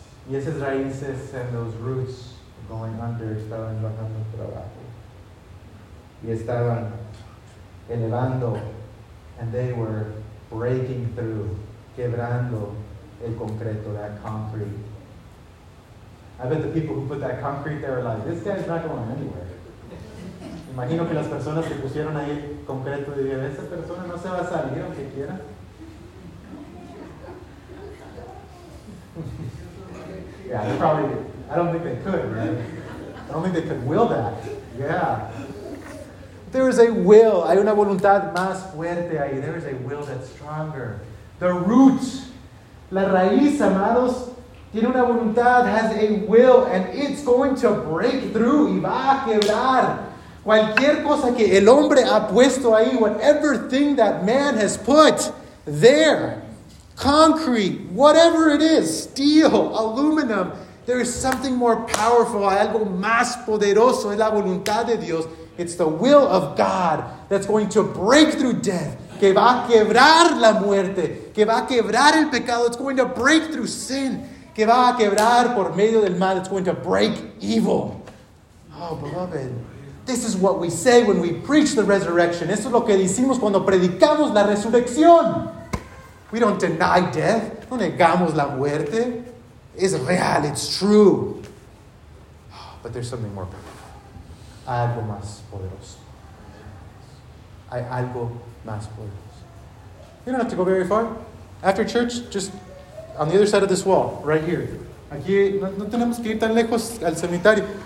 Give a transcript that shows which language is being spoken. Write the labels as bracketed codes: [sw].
[es] Y esas raíces [en] and those roots going under [es] estaban bajando para abajo. Y estaban elevando, [en] and they were breaking through, [es] quebrando el concreto, [en] that concrete. I bet the people who put that concrete there are like, this guy's not going anywhere. [es] Imagino que las personas que pusieron ahí el concreto dirían, esa persona no se va a salir aunque quiera. [en] Yeah, they probably, I don't think they could, right? I don't think they could will that. Yeah. There is a will. [es] Hay una voluntad más fuerte ahí. [en] There is a will that's stronger. The root. [es] La raíz, amados, tiene una voluntad, [en] has a will, and it's going to break through. [es] Y va a quebrar cualquier cosa que el hombre ha puesto ahí. [en] Whatever thing that man has put there. Concrete, whatever it is, steel, aluminum. There is something more powerful, [es] algo más poderoso. Es la voluntad de Dios. [en] It's the will of God that's going to break through death. [es] Que va a quebrar la muerte. Que va a quebrar el pecado. [en] It's going to break through sin. [es] Que va a quebrar por medio del mal. [en] It's going to break evil. Oh, beloved. This is what we say when we preach the resurrection. [es] Esto es lo que decimos cuando predicamos la resurrección. [en] We don't deny death. [es] No negamos la muerte. [en] It's real. It's true. Oh, but there's something more powerful. [es] Hay algo más poderoso. Hay algo más poderoso. [en] You don't have to go very far. After church, just on the other side of this wall, right here. [es] Aquí no tenemos que ir tan lejos al cementerio.